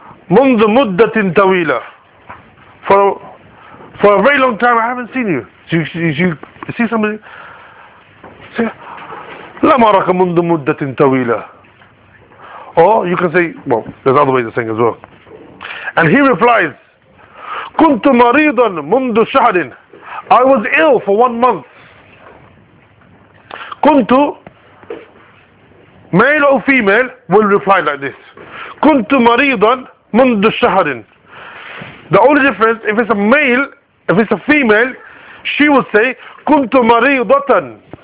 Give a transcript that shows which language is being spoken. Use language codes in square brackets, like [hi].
[ar] منذ مدة طويلة. [en] For a very long time, I haven't seen you. You see somebody? [ar] لم أرك منذ مدة طويلة. [en] Or you can say, well, there's other ways of saying as well. And he replies, [ar] كنت مريضا منذ شهر. [en] I was ill for 1 month. كنت, male or female, will reply like this. [ar] كنت مريضا منذ شهر. [en] The only difference, if it's a male, if it's a female, she will say, [ar] كنت مريضة.